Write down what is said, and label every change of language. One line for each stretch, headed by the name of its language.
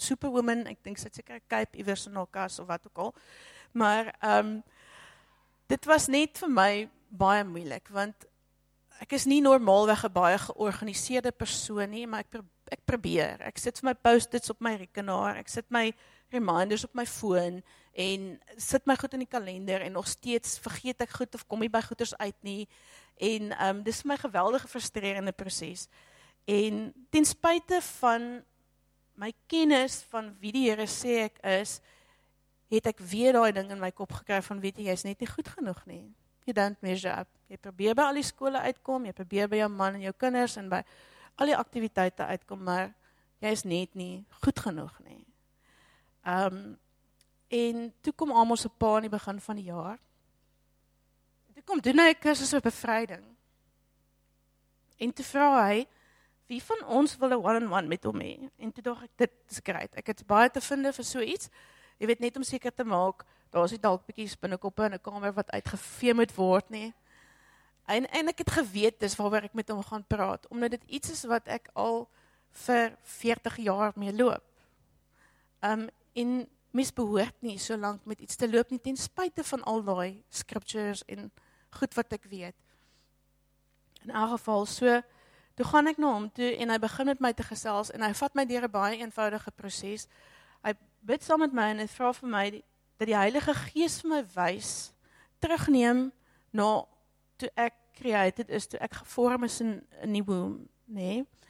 Afrikaans: Superwoman, ek dink sy seker 'n cape iewers in haar kas of wat ook al. Maar dit was net vir my baie moeilik, want ek is nie normaalweg 'n baie georganiseerde persoon nie, maar ek probeer. Ek sit vir my post-its op my rekenaar, ek sit my reminders op my foon en sit my goed in die kalender en nog steeds vergeet ek goed of kom nie by goeders uit nie. En dis my geweldige frustrerende proses. En ten spyte van my kennis van wie die Here sê ek is, het ek weer daai ding in my kop gekry van weet jy, jy is net nie goed genoeg nie.
English: You don't measure up.
Afrikaans: Jy probeer by al die skole uitkom, jy probeer by jou man en jou kinders en by al die aktiwiteite uitkom, maar jy is net nie goed genoeg nie. En toe kom Amos se pa in die begin van die jaar. Toe kom doen hy 'n kursus oor bevryding. En toe vra hy, wie van ons wil 'n one-on-one met hom hê? En toe dink ek, dit is great. Ek het baie te vinde vir so iets. Jy weet net om seker te maak, daar is nie dalk bietjie spinnekoppe in 'n kamer wat uitgevee moet word nie. En ek het geweet, dis waaroor ek met hom gaan praat. Omdat dit iets is wat ek al vir 40 jaar mee loop. En mens behoort nie so lank met iets te loop nie, ten spyte van al daai scriptures en goed wat ek weet. In elk geval, so, toe gaan ek na hom toe en hy begin met my te gesels en hy vat my deur 'n baie eenvoudige proses. Hy bid saam met my en hy vra vir my dat die Heilige Gees vir my wys terugneem na toe ek created is, toe ek gevorm is in 'n nuwe womb, nee.